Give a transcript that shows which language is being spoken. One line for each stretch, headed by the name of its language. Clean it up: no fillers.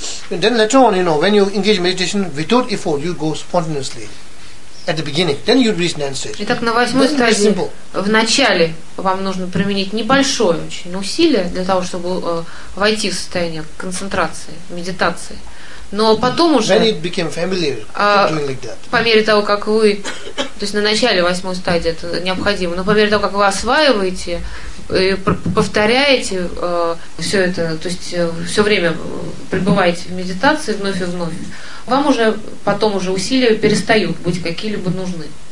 English: Then later on, you know, when you engage meditation without effort, you go spontaneously. At the beginning, then you reach ninth stage.
Russian: Итак, на восьмой стадии в начале вам нужно применить небольшое очень усилие для того, чтобы войти в состояние концентрации, медитации. Но потом уже
English: when it became familiar, doing like that.
Russian: По мере того, как вы, то есть на начале восьмой стадии это необходимо, но по мере того, как вы осваиваете и повторяете все это, то есть все время пребываете в медитации вновь и вновь, вам уже потом уже усилия перестают быть какие-либо нужны.